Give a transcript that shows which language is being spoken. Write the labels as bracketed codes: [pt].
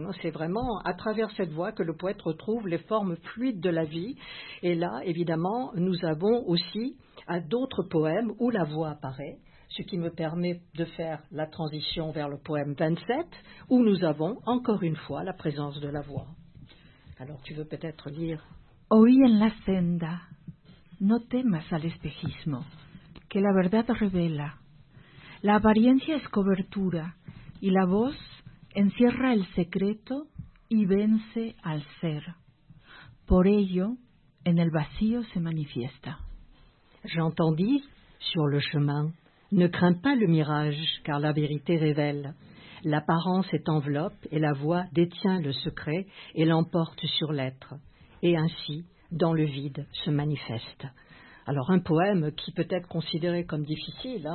[fr] C'est vraiment à travers cette voie que le poète retrouve les formes fluides de la vie. Et là, évidemment, nous avons aussi à d'autres poèmes où la voix apparaît, ce qui me permet de faire la transition vers le poème 27, où nous avons encore une fois la présence de la voix. Alors, tu veux peut-être lire. [es] Oí en la senda, no temas al espejismo, que la verdad revela. La apariencia es cobertura y la voz encierra el secreto y vence al ser. Por ello, en el vacío se manifiesta. [fr] J'entendis sur le chemin, ne crains pas le mirage, car la vérité révèle. L'apparence est enveloppe et la voix détient le secret et l'emporte sur l'être. Et ainsi, dans le vide se manifeste. Alors un poème qui peut être considéré comme difficile,